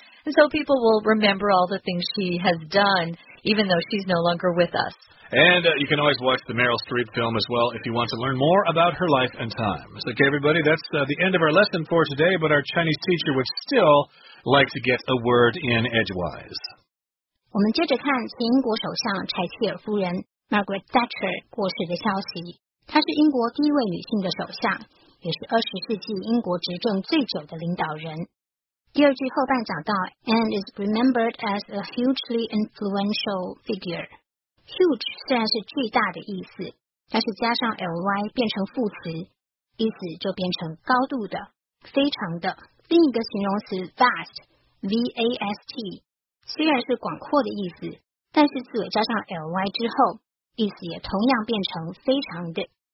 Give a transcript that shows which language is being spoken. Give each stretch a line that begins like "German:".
English: And so people will remember all the things she has done, even though she's no longer with us. And you can always watch the Meryl Streep film as well if you want to learn more about her life and times. Okay, everybody, that's the end of our lesson for today, but our Chinese teacher would still like to get a word in edgewise.
Chinese: 我们接着看前英国首相柴契尔夫人 Margaret Thatcher 过世的消息。她是英国第一位女性的首相，也是20世纪英国执政最久的领导人。第二句后半讲到
English: And is remembered as a hugely influential figure。
Chinese: Huge 虽然是巨大的意思，但是加上 ly 变成副词，意思就变成高度的、非常的。另一个形容词 vast, V-A-S-T, 虽然是广阔的意思，但是字尾加上 ly 之后，意思也同样变成非常的。